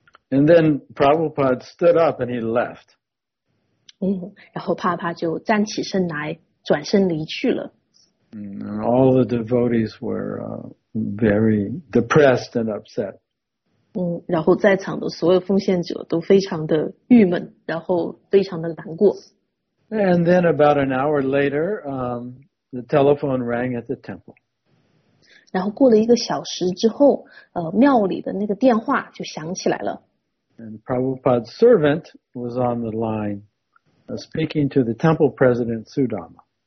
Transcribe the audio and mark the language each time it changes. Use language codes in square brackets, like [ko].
[en] And then Prabhupada stood up and he left. [zh] 嗯，然后帕帕就站起身来，转身离去了。 [en] And all the devotees were very depressed and upset. [zh] 嗯，然后在场的所有奉献者都非常的郁闷，然后非常的难过。 [en] And then about an hour later, the telephone rang at the temple. [zh] 然后过了一个小时之后，庙里的那个电话就响起来了。 [en] And Prabhupada's servant was on the line, speaking to the temple president, Sudama.